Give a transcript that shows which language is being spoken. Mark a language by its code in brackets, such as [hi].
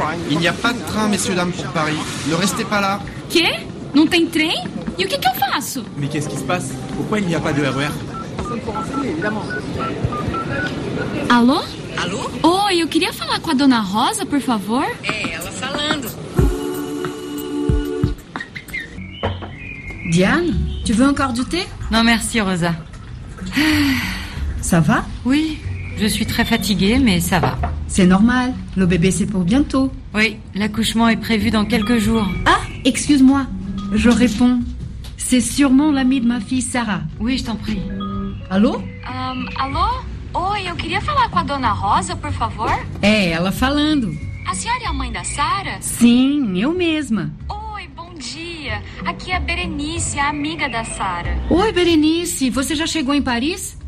[fr] Il n'y a pas de train, messieurs, dames, pour Paris. Ne restez pas là. [pt] Que? Non tem trem? E o que que eu faço? [fr] Mais qu'est-ce qui se passe? Pourquoi il n'y a pas de RER? Personne pour renseigner, évidemment. Allô? Allô? [pt] Oi, eu queria falar com a dona Rosa, por favor. É, ela falando. [fr] Diane, tu veux encore du thé? Non, merci, Rosa. Ça va? Oui, je suis très fatiguée, mais ça va. C'est normal, le bébé c'est pour bientôt. Oui, l'accouchement est prévu dans quelques jours. Ah, excuse-moi, je réponds. C'est sûrement l'ami de ma fille Sarah. Oui, je t'en prie. Allô? Allô? [pt] Oi, eu queria falar com a dona Rosa, por favor. É, ela falando. A senhora é a mãe da Sarah? Sim, eu mesma. Oi, bom dia. Aqui é a Berenice, a amiga da Sarah. Oi, Berenice, você já chegou em Paris?